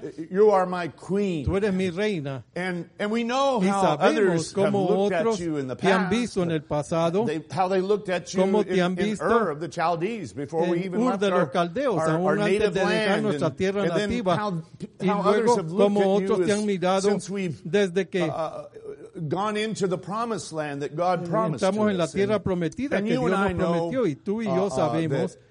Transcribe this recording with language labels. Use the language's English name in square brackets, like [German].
[Spanish] Tú eres mi reina. Y sabemos cómo otros te han visto en el pasado, cómo te han visto en Ur de los Caldeos, aún antes de dejar nuestra tierra nativa. Y luego cómo otros te han mirado desde que [English] gone into the promised land that God promised. [Spanish] Estamos en la tierra prometida que Dios nos prometió, y tú y yo sabemos